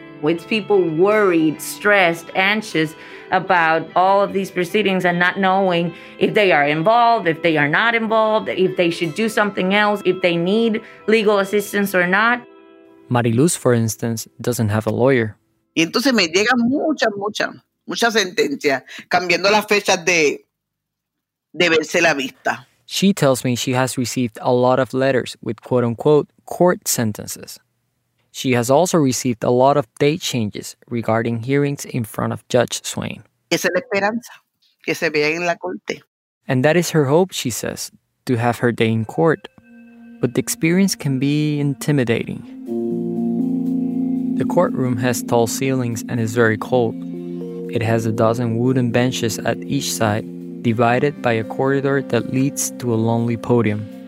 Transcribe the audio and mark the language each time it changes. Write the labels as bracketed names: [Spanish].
[English] With people worried, stressed, anxious about all of these proceedings and not knowing if they are involved, if they are not involved, if they should do something else, if they need legal assistance or not. Mariluz, for instance, doesn't have a lawyer. [Spanish] Y entonces me llega mucha, mucha, mucha sentencia cambiando las fechas de verse la vista. [English] She tells me she has received a lot of letters with quote-unquote court sentences. She has also received a lot of date changes regarding hearings in front of Judge Swain. [Spanish] Esa es la esperanza, que se vea en la corte. [English] And that is her hope, she says, to have her day in court. But the experience can be intimidating. The courtroom has tall ceilings and is very cold. It has a dozen wooden benches at each side, divided by a corridor that leads to a lonely podium.